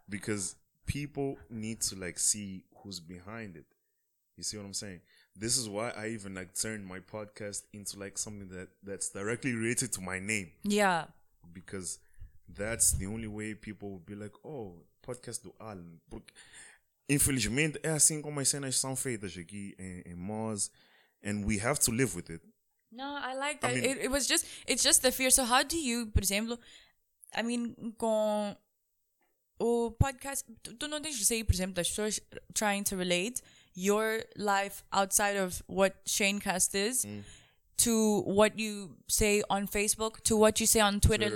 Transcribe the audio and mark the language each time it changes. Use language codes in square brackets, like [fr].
[en] Because people need to like see who's behind it. You see what I'm saying? This is why I even like turned my podcast into like something that's directly related to my name. Yeah. Because that's the only way people would be like, oh, podcast do Alan. [pt] Porque, infelizmente, é assim como as cenas são feitas aqui em Moz. [en] And we have to live with it. No, I like that. I mean, it was just, it's just the fear. So how do you, [pt] por exemplo, [en] I mean, [pt] com o podcast, tu não tens receio, por exemplo, das pessoas [en] trying to relate your life outside of what Shanecast is to what you say on Facebook, to what you say on Twitter. Sure.